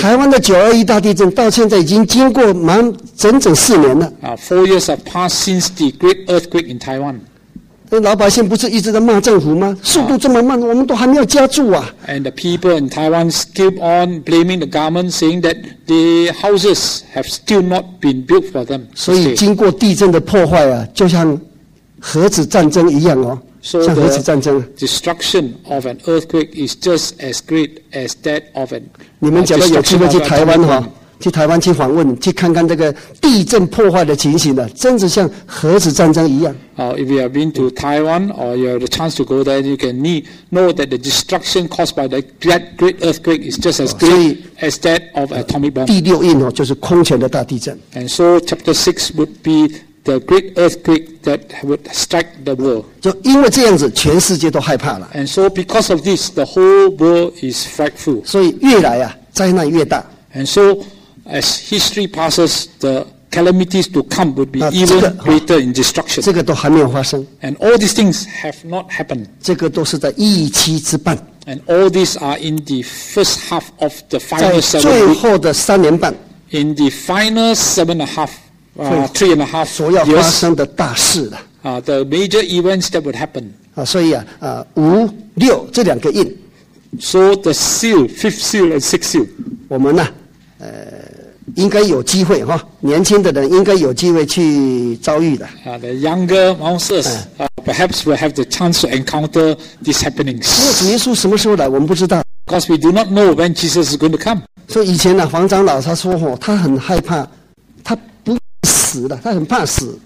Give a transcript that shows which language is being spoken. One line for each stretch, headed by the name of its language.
Chinese: 台湾的921大地震到现在已经经过满整整四年了。
English: Four years have passed since the great earthquake in Taiwan.
Chinese: 老百姓不是一直在骂政府吗？速度这么慢，我们都还没有加注啊。
English: And the people in Taiwan keep on blaming the government, saying that the houses have still not been built for them.
Chinese: 所以经过地震的破坏啊，就像核子战争一样哦。
English: So the destruction of an earthquake is just as great as that of an.
Chinese: 你们假如有机会去台湾哈，去台湾去访问，去看看这个地震破坏的情形呢，真是像核子战争一样。
English: If you have been to Taiwan or you have the chance to go there, you can know that the destruction caused by that great earthquake is just as great as that of an atomic bomb.
Chinese: 第六印哦，就是空前的大地震。
English: And so chapter 6 would be. The great earthquake that would strike the world.
Chinese: 就因为这样子，全世界都害怕了。
English: And so because of this, the whole world is frightful.
Chinese: 所以越来啊，灾难越大。
English: And so as history passes, the calamities to come would be even greater in destruction.
Chinese: 这个都还没有发生。
English: And all these things have not happened.
Chinese: 这个都是在一期之半。
English: And all these are in the first half of the final 7 weeks.
Chinese: 在最后的三年半。
English: In the final 7.5 weeks. Three and a half
Chinese: 所要发生的大事了。
English: The major events that would happen.
Chinese: 所以啊，五六这两个印。
English: So the seal, fifth seal and sixth seal.
Chinese: 我们呢、啊，应该有机会哈，年轻的人应该有机会去遭遇的。
English: The younger Moses, perhaps will have the chance to encounter these happenings.
Chinese: 因为主耶稣什么时候来，我们不知道。
English: Because we do not know when Jesus is going to come.
Chinese: 所以以前呢、啊，黄长老他说哦，他很害怕，他不死的，他很怕死。